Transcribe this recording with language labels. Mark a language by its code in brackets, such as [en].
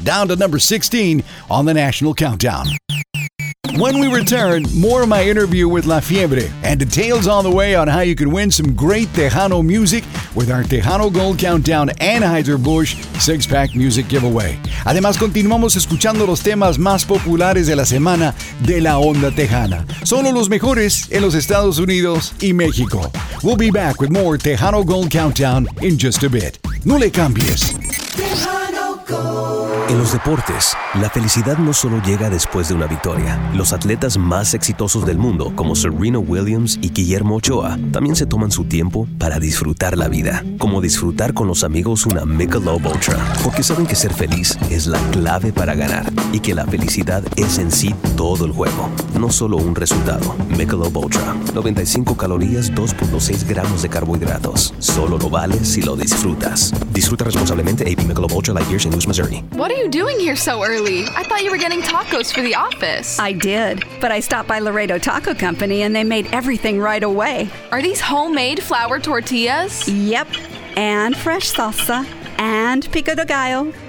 [en] Down to number 16 on the national countdown. When we return, more of my interview with La Fiebre and details on the way on how you can win some great Tejano music with our Tejano Gold Countdown Anheuser-Busch six-pack music giveaway. [es] Además, continuamos escuchando los temas más populares de la semana de la onda tejana. Solo los mejores en los Estados Unidos y México. [en] We'll be back with more Tejano Gold Countdown in just a bit. [es] No le cambies. [en] Tejano Gold. [es] En los deportes, la felicidad no solo llega después de una victoria. Los atletas más exitosos del mundo, como Serena Williams y Guillermo Ochoa, también se toman su tiempo para disfrutar la vida. Como disfrutar con los amigos una Michelob Ultra. Porque saben que ser feliz es la clave para ganar. Y que la felicidad es en sí todo el juego. No solo un resultado. Michelob Ultra. 95 calorías, 2.6 gramos de carbohidratos. Solo lo vale si lo disfrutas. Disfruta responsablemente AB Michelob Ultra Light Years in Lewis, Missouri. [en] What are you doing here so early? I thought you were getting tacos for the office. I did, but I stopped by Laredo Taco Company and they made everything right away. Are these homemade flour tortillas? Yep, and fresh salsa, and pico de gallo.